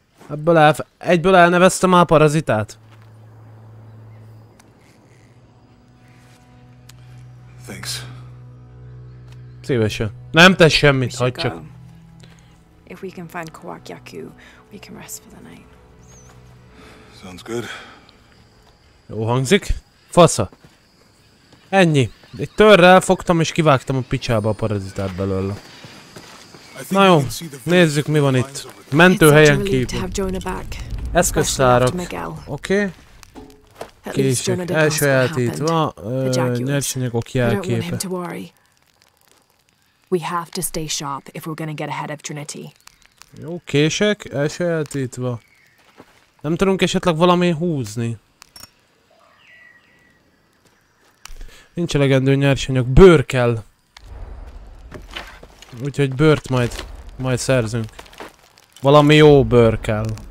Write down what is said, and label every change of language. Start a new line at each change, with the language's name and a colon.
Hungarian: Ebből egyből elneveztem a parazitát.
English: Thanks.
Hungarian: Szívesen. Nem tesz semmit, hagyd csak.
English: If we can find Kowakyaku, we can rest for the night. Sounds good.
Hungarian: Jó hangzik. Fasza. Ennyi. Egy törrel fogtam és kivágtam a picsába a parazitát belőle. Na jó, nézzük, mi van itt. Mentőhelyen kívül. Eszköztárak. Oké. Kések, elsajátítva, nyersanyagok jelképe.
English: We have to stay sharp if we're gonna get ahead of Trinity.
Hungarian: Jó, kések, elsajátítva. Nem tudunk esetleg valami húzni. Nincs elegendő nyersanyag, bőr kell. Úgyhogy bőrt majd szerzünk. Valami jó bőr kell.